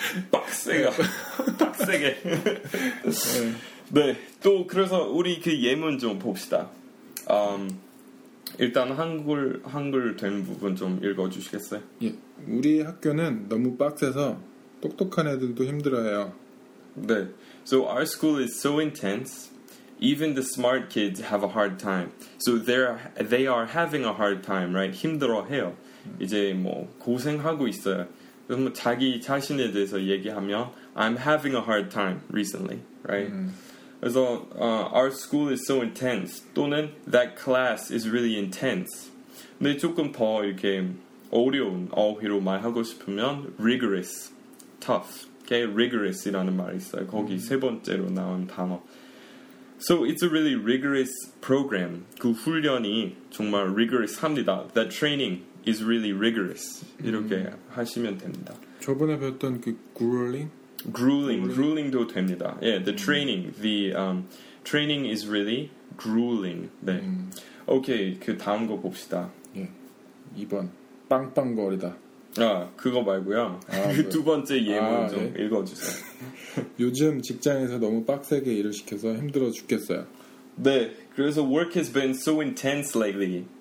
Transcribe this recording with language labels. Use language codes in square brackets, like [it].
[ko] 빡세가 빡세게 네, 또 그래서 우리 그 예문 좀 봅시다. 일단 한글 된 부분 좀 읽어주시겠어요? 예, 우리 학교는 너무 빡세서 똑똑한 애들도 힘들어해요. [en] 네, so our school is so intense even the smart kids have a hard time. So they are having a hard time, right? [ko] 힘들어해요. 이제 뭐 고생하고 있어요. [en] 그럼 뭐 자기 자신에 대해서 얘기하면 I'm having a hard time recently, right? 그래서 our school is so intense 또는 that class is really intense. [ko] 근데 조금 더 이렇게 어려운 어휘로 말하고 싶으면 rigorous, tough 게 rigorous이라는 말이 있어요. 거기 세 번째로 나온 단어. [en] So it's a really rigorous program. 그 훈련이 정말 rigorous합니다. The training is really rigorous. 이렇게 하시면 됩니다. [ko] 저번에 배웠던 그 grueling? [en] Grueling. Grueling도 됩니다. Yeah, the training. The training is really grueling. 네. [ko] Okay, 그 다음 거 봅시다. 예. Yeah. 2번. 빵빵거리다. 아, 그거 말고요. 아, 그 두 번째 예문 좀 네. 읽어주세요. 요즘 직장에서 너무 빡세게 일을 시켜서 힘들어 죽겠어요. [en] 네, 그래서 work has been so intense lately.